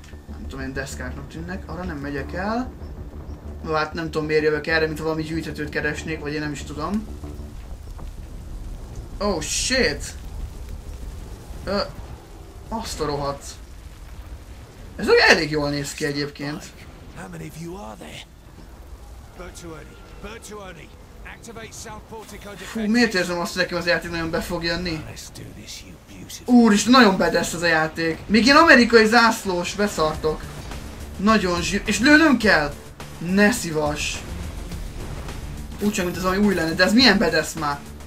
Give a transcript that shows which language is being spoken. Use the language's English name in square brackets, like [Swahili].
[Hungarian] Nem tudom, ilyen deszkáknak tűnnek. Arra nem megyek el. Hát nem tudom, miért jövök erre, mintha valami gyűjthetőt keresnék, vagy én nem is tudom. [English] Oh, shit! [Hungarian] Azt a rohadt. Ez ugye elég jól néz ki egyébként. [English] How many of you are there? Virtuoni, activate self-portico defense. [Hungarian] Fú, miért érzem azt, hogy nekem az játék nagyon be fog jönni? Úristen, nagyon badass ez a játék. Még ilyen amerikai zászlós, beszartok. Nagyon zsír. És lőnöm kell? Ne szivas. Úgysem, mint ez ami új lenne, de ez milyen badass már?